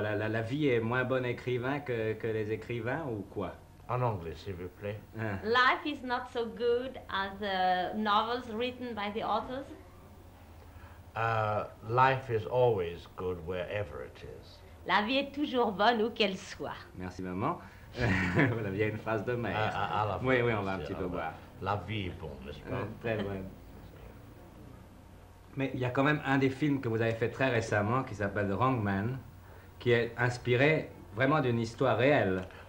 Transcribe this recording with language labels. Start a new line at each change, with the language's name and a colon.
French: La vie est moins bonne écrivain que les écrivains ou quoi? En anglais, s'il vous plaît.
English: Life is not so good as the novels written by the authors? Life is always good wherever it is.
French: La vie est toujours bonne où qu'elle soit. Merci, maman. Vous aviez une phrase de maître. À la fin, on va un petit peu boire. La vie est bonne, n'est-ce pas? Très bonne. Mais il y a quand même un des films que vous avez fait très récemment qui s'appelle The Wrong Man, qui est inspiré vraiment d'une histoire réelle.